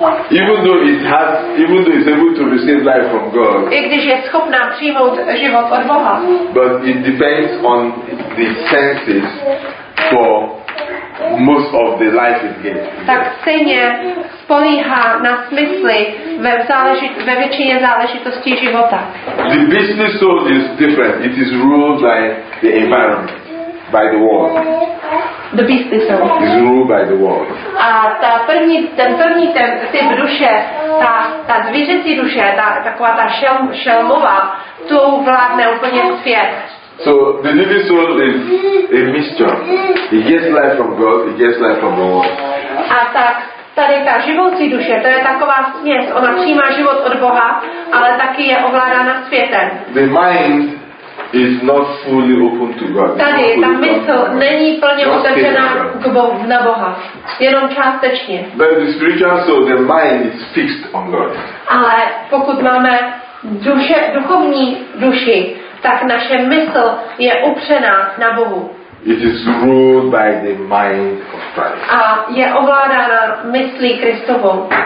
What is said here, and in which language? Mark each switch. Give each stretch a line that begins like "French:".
English: Even though it's able to receive life from God.
Czech: I když je schopná přijmout život od Boha.
English: But it depends on the senses for most of the life it gets.
Czech: Tak stejně spolíhá na smysly ve většině záležitostí života.
English: The business soul is different. It is ruled by the environment. By the world. The beast is ruled by the world.
Czech: A ten první typ duše, ta zvířecí duše, taková ta šelmová, tu vládne úplně svět.
English: So the living soul is a mixture. It gets life from God, it gets life from the world.
Czech: A tak tady ta živoucí duše, to je taková směs. Ona přijímá život od Boha, ale taky je ovládána světem.
English: The mind is not fully open to God.
Czech: Tady ta mysl není plně otevřená na Boha, jenom částečně.
English: But the spiritual soul, the mind is fixed on God.
Czech: Ale pokud máme duchovní duši, tak naše mysl je upřená na Bohu.
English: It is ruled by the mind of Christ.
Czech: A je ovládána myslí Kristovou.